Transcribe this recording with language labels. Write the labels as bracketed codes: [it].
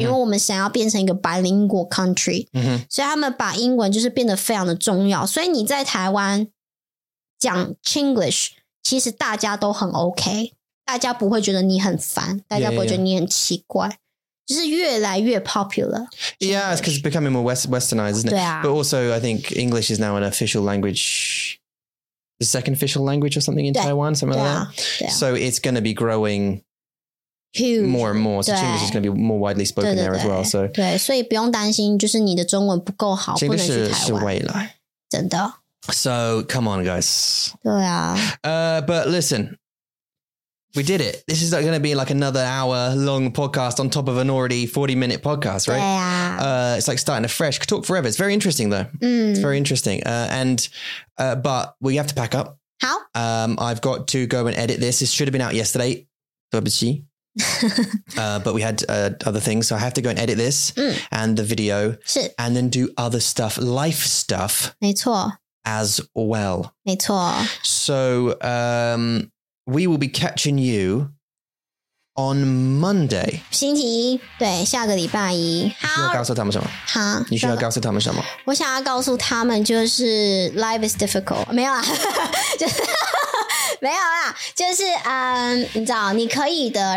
[zh] 因为我们想要变成一个 [en] bilingual country、 mm-hmm. [zh] 所以他们把英文就是变得非常的重要，所以你在台湾讲 Chinglish 其实大家都很 OK, 大家不会觉得你很烦，大家不会觉得你很奇怪、 [en] yeah, yeah. [zh] 就是越来越 popular. [en] Yeah, it's because it's becoming more westernized, isn't it? [zh] 对啊。 [en] But also, I think English is now an official language, the second official language or something in Taiwan, something like that. So it's going to be growing huge, more and more. So English is going to be more widely spoken [zh] 对对对 [en] there as well. So. [zh] 对，所以不用担心，就是你的中文不够好，不能去台湾。 [en] English is [zh] 未来。真的。 [en] So come on, guys. [zh] 对啊。 [en] But listen. We did it. This is going to be like another hour long podcast on top of an already 40 minute podcast, right? Yeah. It's like starting afresh. Could talk forever. It's very interesting though. It's very interesting. But we have to pack up. How? I've got to go and edit this. This should have been out yesterday. but we had other things. So I have to go and edit this and the video and then do other stuff, life stuff. [zh] 没错。 [en] As well. [zh] 没错。 [en] So, We will be catching you on Monday. [zh] 星期一，对，下个礼拜一。好，你需要告诉他们什么？好，你需要告诉他们什么？我想要告诉他们，就是 [en] life is difficult. [zh] 没有啦，就是没有啦，就是你知道，你可以的。